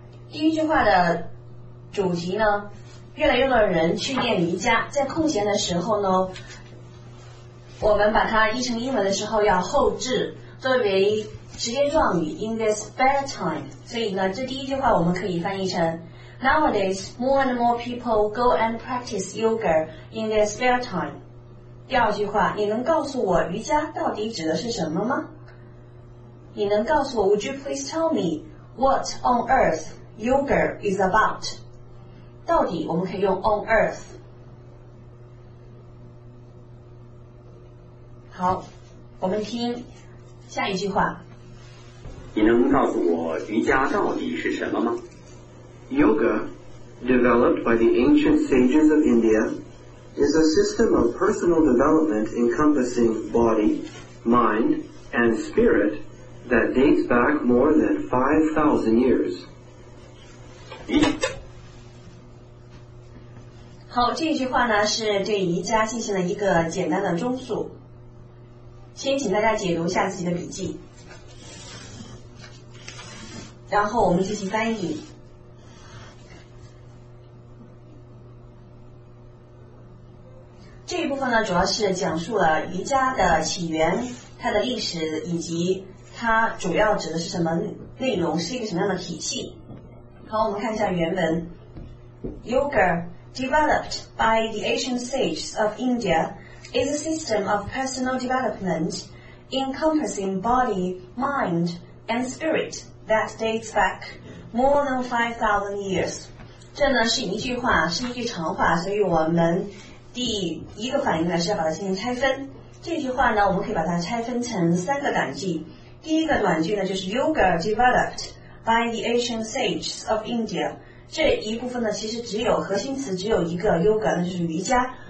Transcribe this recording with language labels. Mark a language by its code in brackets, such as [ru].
[zh] 第一句话的主题呢，越来越多的人去练瑜伽，在空闲的时候呢，我们把它译成英文的时候要后置作为时间状语 [en] in this spare time。 [zh] 所以呢这第一句话我们可以翻译成 [en] Nowadays more and more people go and practice yoga in their spare time。 [zh] 第二句话，你能告诉我瑜伽到底指的是什么吗？你能告诉我 [en] Would you please tell me what on earth yoga is about。 [zh] 到底我们可以用 on earth。好，我们听下一句话。你能告诉我瑜伽到底是什么吗？ [en] Yoga, developed by the ancient sages of India, is a system of personal development encompassing body, mind, and spirit that dates back more than 5,000 years. [zh] 好，这句话呢是对瑜伽进行了一个简单的综述。先请大家解读一下自己的笔记，然后我们进行翻译。这一部分呢主要是讲述了瑜伽的起源，它的历史以及它主要指的是什么内容，是一个什么样的体系。好，我们看一下原文。 [en] Yoga developed by the ancient sages of IndiaIs a system of personal development encompassing body, mind, and spirit that dates back more than 5,000 years. [zh] 这呢是一句话，是一句长话，所以我们第一个反应呢是要把它进行拆分。这句话呢我们可以把它拆分成三个短句。第一个短句呢就是 [en] Yoga developed by the ancient sages of India。 [zh] 这一部分呢其实只有核心词只有一个 Yoga， 那就是瑜伽。